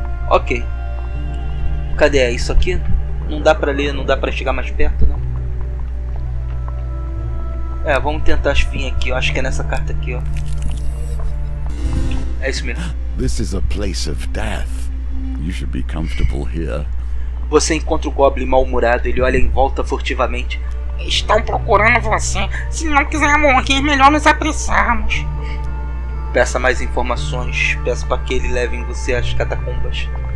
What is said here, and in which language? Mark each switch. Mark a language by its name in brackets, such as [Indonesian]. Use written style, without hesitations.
[Portuguese] Ok. Cadê isso aqui? Não dá pra ler, não dá pra chegar mais perto, não. É, vamos tentar vir aqui, eu acho que é nessa carta aqui, ó. É isso mesmo. [English] This is a place of death. You should be comfortable here. [Portuguese] Você encontra o Goblin mal-humorado, ele olha em volta furtivamente. Estão procurando você. Se não quiser morrer, melhor nos apressarmos. Peça mais informações, peço para que ele leve em você às catacumbas.